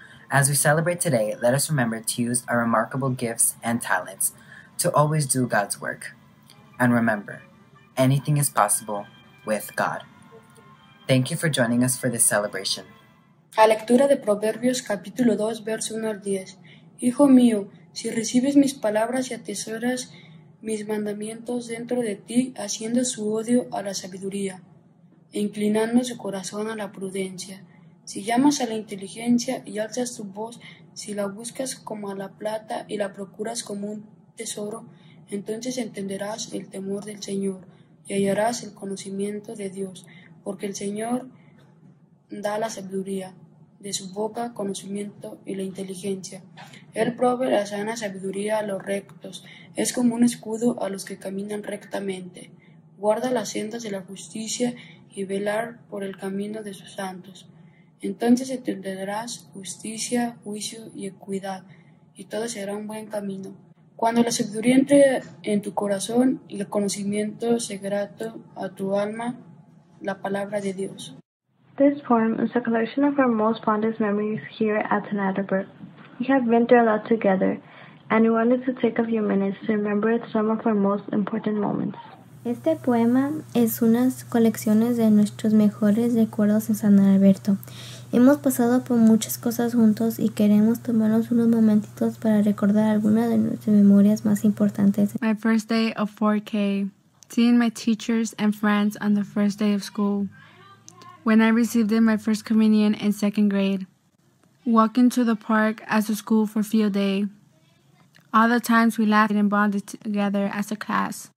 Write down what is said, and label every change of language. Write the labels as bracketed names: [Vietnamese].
[English] As we celebrate today, let us remember to use our remarkable gifts and talents to always do God's work. And remember, anything is possible with God. Thank you for joining us for this celebration. [Spanish] A lectura de Proverbios, capítulo 2, verso 1 al 10. Hijo mío, si recibes mis palabras y atesoras mis mandamientos dentro de ti, haciendo su odio a la sabiduría, e inclinando su corazón a la prudencia. Si llamas a la inteligencia y alzas tu voz, si la buscas como a la plata y la procuras como un tesoro, entonces entenderás el temor del Señor y hallarás el conocimiento de Dios, porque el Señor da la sabiduría, de su boca conocimiento y la inteligencia. Él provee la sana sabiduría a los rectos, es como un escudo a los que caminan rectamente. Guarda las sendas de la justicia y velar por el camino de sus santos. Entonces entenderás justicia, juicio y equidad, y todo será un buen camino. Cuando la sabiduría entre en tu corazón y el conocimiento se grato a tu alma, la palabra de Dios. [English] This poem is a collection of our most fondest memories here at St. Adalbert. We have been through a lot together, and we wanted to take a few minutes to remember some of our most important moments. [Spanish] Este poema es una colección de nuestros mejores recuerdos en San Alberto. Hemos pasado por muchas cosas juntos y queremos tomarnos unos momentitos para recordar algunas de nuestras memorias más importantes. [English] My first day of 4K, seeing my teachers and friends on the first day of school, when I received my first communion in second grade, walking to the park as a school for field day, all the times we laughed and bonded together as a class.